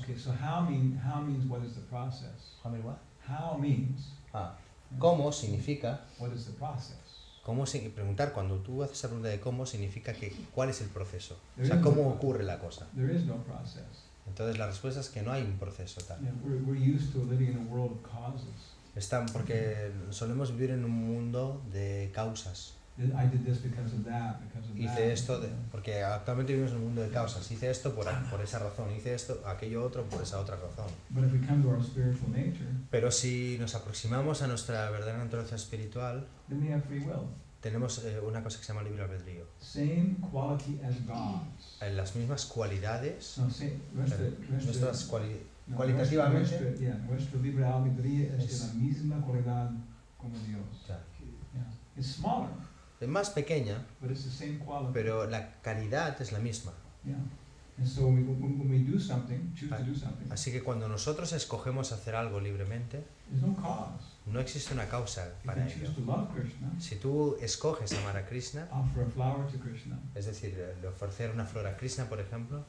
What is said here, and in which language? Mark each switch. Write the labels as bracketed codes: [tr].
[en] Okay, so how means what is the process? How mean what? How means. [es] Ah. ¿Cómo significa? [en] What is the process? [es] ¿Cómo preguntar cuando tú haces esa pregunta de cómo significa que cuál es el proceso? O sea, ¿cómo ocurre la cosa? [en] There is no process. [es] Entonces la respuesta es que no hay un proceso tal. [en] Yeah, we're used to living in a world of causes. [es] Están porque solemos vivir en un mundo de causas. [en] I did this because of that, because of [es] hice [en] that, [es] esto de, porque actualmente vivimos en un mundo de causas. Hice esto por esa razón. Hice esto aquello otro por esa otra razón. [en] But if we come to our spiritual nature, [es] pero si nos aproximamos a nuestra verdadera naturaleza espiritual, [en] then we have free will. [es] Tenemos una cosa que se llama libre albedrío. [en] Same quality as God's. [es] En las mismas cualidades. No, [en] same, [es] nuestras cualitativamente. Nuestro libre albedrío es de la misma cualidad como Dios. [en] Yeah. It's smaller. [es] Es más pequeña, [en] but it's the same quality. [es] Pero la calidad es la misma. [en] Yeah. And so when we do something, choose to do something. [es] Así que cuando nosotros escogemos hacer algo libremente, [en] there's no cause. [es] No existe una causa para ello. [en] To love Krishna, [es] si tú escoges amar a Krishna, [en] offer a flower to Krishna, [es] es decir, de ofrecer una flor a Krishna, por ejemplo,